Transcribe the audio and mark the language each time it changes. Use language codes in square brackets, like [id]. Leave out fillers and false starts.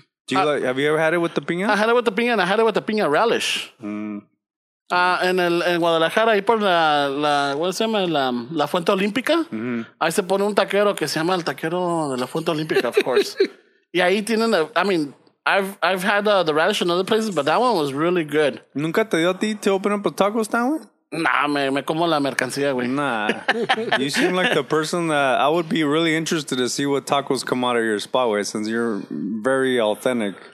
[en] Have you ever had it with the piña? I had it with the piña, and I had it with the piña relish. [es] En Guadalajara, ahí por la ¿cómo se llama? La Fuente Olímpica. Ahí se pone un taquero que se llama el taquero de la Fuente Olímpica, [en] of course. [es] Yeah, ahí tienen. [en] I mean, I've had the radish in other places, but that one was really good. [es] ¿Nunca te dio a ti [en] to open up a taco stand? [es] Nah, me como la mercancía, güey. [en] Nah. You seem like the person that I would be really interested to see what tacos come out of your spot with, since you're very authentic.